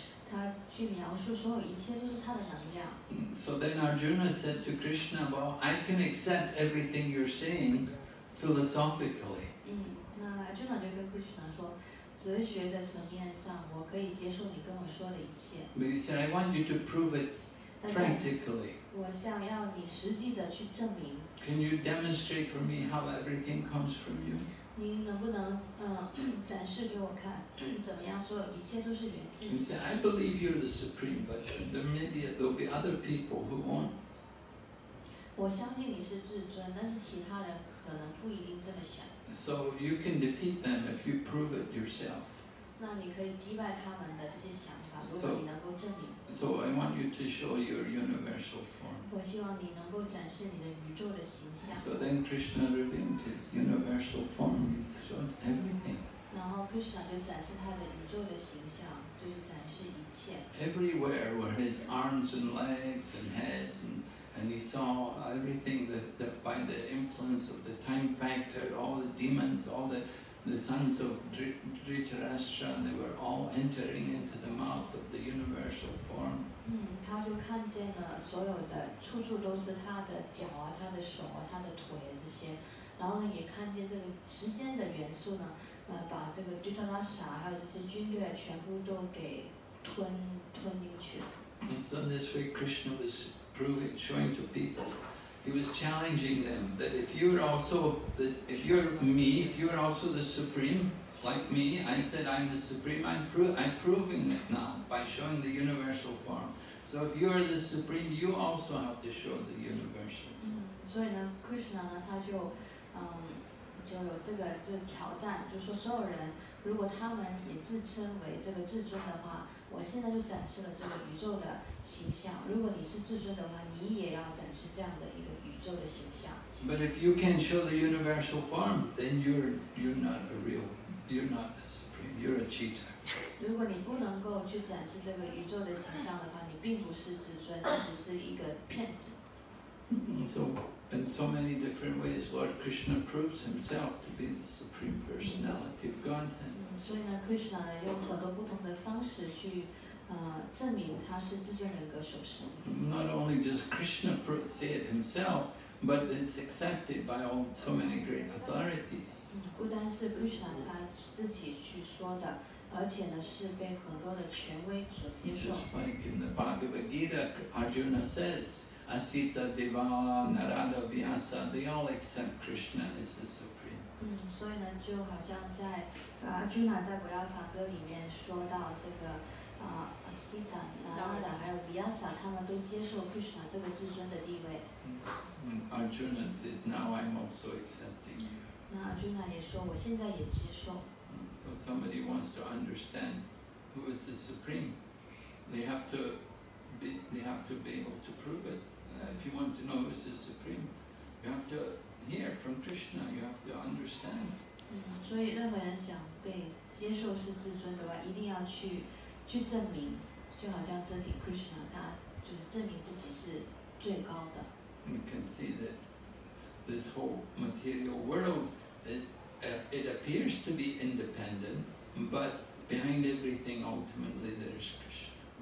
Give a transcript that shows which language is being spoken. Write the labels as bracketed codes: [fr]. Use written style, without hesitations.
[zh] 他去描述所有一切都是他的能量。 [en] So then Arjuna said to Krishna, "Well, I can accept everything you're saying philosophically." [zh] 那 Arjuna 就跟 Krishna 说，哲学的层面上，我可以接受你跟我说的一切。 [en] But he said, "I want you to prove it practically." [zh] 我想要你实际的去证明。 [en] Can you demonstrate for me how everything comes from you? [zh] 你能不能展示给我看，怎么样？所有一切都是源自。 [en] He said, "I believe you're the supreme, but there may be other people who won't." [zh] 我相信你是至尊，但是其他人可能不一定这么想。 [en] So you can defeat them if you prove it yourself. [zh] 那你可以击败他们的这些想法，如果你能够证明。 [en] So I want you to show your universal form. [zh] 我希望你能够展示你的宇宙的形象。 [en] So then Krishna revealed his universal form. He showed everything. [zh] 然后 Krishna 就展示他的宇宙的形象，就是展示一切。 [en] Everywhere were his arms and legs and heads, and he saw everything that by the influence of the time factor, all the demons, all the sons of Dhritarashtra, they were all entering into the mouth of the universal form. [zh] 他就看见了所有的处处都是他的脚啊，他的手啊，他的腿啊这些，然后呢也看见这个时间的元素呢，把这个 Dhritarashtra 还有这些军队全部都给吞进去。 [en] And so this way Krishna was proving, showing to people, he was challenging them that if you are also, if you are me, if you are also the supreme, like me, I said I'm the supreme. I'm proving it now by showing the universal form. So if you are the supreme, you also have to show the universal form. [zh] 所以呢 ，Krishna 呢，他就，就有这个就挑战，就说所有人，如果他们也自称为这个至尊的话，我现在就展示了这个宇宙的形象。如果你是至尊的话，你也要展示这样的一个宇宙的形象。 [en] But if you can show the universal form, then you're not a real, you're not the supreme, you're a cheater. [zh] 如果你不能够去展示这个宇宙的形象的话，你并不是至尊，你只是一个骗子。 [en] So in so many different ways, Lord Krishna proves himself to be the supreme personality of Godhead. [zh] 所以呢 ，Krishna 呢用很多不同的方式去，证明他是至尊人格所示。 [en] Not only does Krishna say it himself, but it's accepted by all so many great authorities. [zh] 不单是 Krishna 他自己去说的，而且呢是被很多的权威所接受。 [en] Just like in the Bhagavad Gita, Arjuna says. Asita, Devala, Narada, Vyasa, they all accept Krishna as the Supreme. [zh] 所以呢就好像在 Arjuna 在《维亚法歌》里面说到这个 Asita, Narada, 还有 Vyasa, 他们都接受 Krishna 这个至尊的地位。 [en] Arjuna says, now I'm also accepting you. [zh] 那 Arjuna 也说我现在也接受。 [en] So somebody wants to understand who is the Supreme, they have to be able to prove it. If you want to know who is the supreme, you have to hear from Krishna. You have to understand. [zh] 所以任何人想被接受是至尊的话，一定要去证明。就好像这里 Krishna 他就是证明自己是最高的。 [en] You can see that this whole material world it appears to be independent, but behind everything, ultimately there is Krishna.